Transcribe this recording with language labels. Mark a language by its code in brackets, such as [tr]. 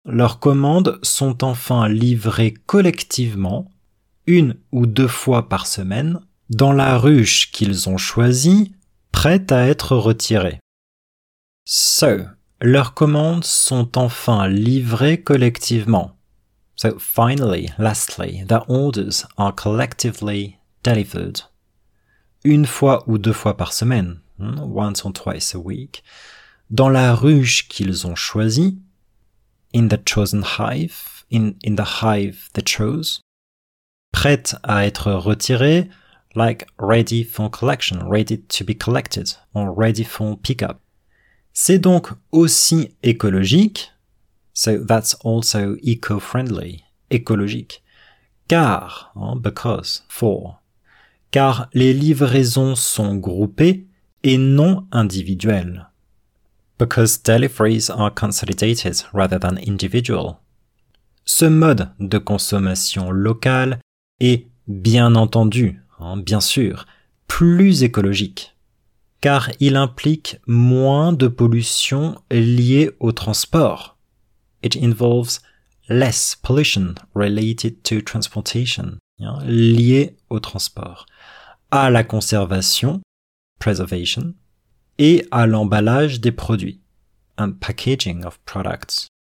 [fr] Leurs commandes sont enfin livrées collectivement, une ou deux fois par semaine, dans la ruche qu'ils ont choisie, prête à être retirée. So, leurs commandes sont enfin livrées collectivement. [en] So, finally, lastly, their orders are collectively delivered. [fr] Une fois ou deux fois par semaine, [en] once or twice a week, [fr] dans la ruche qu'ils ont choisie, [en] in the chosen hive, in the hive they chose, [fr] prête à être retirée, [en] like ready for collection, ready to be collected, or ready for pickup. [fr] C'est donc aussi écologique, [en] so that's also eco-friendly, [fr] écologique, car, hein, [en] because, for, [fr] car les livraisons sont groupées et non individuelles. [en] Because deliveries are consolidated rather than individual. [fr] Ce mode de consommation locale est bien entendu, hein, bien sûr, plus écologique, car il implique moins de pollution liée au transport. [en] It involves less pollution related to transportation, yeah, [fr] liée au transport, à la conservation, [en] preservation, [fr] et à l'emballage des produits, [en] and packaging of products.